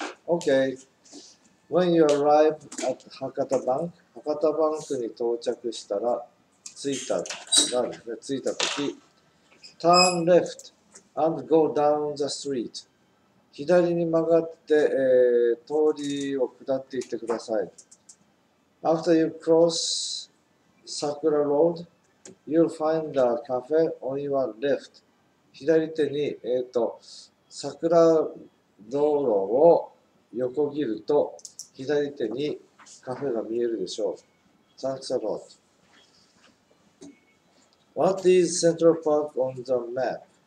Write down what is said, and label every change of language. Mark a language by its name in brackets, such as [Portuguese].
[English] OK。 When you arrive at 博多バンク。 [Japanese] 博多バンクに到着したら、着いたとき、 [English] turn left and go down the street。 [Japanese] 左に曲がって、通りを下っていってください。 [English] After you cross Sakura Road, you'll find a cafe on your left。 [Japanese] 左手に、桜道路を横切ると、左手にカフェが見えるでしょう。 [English] Thanks a lot. What is Central Park on the map?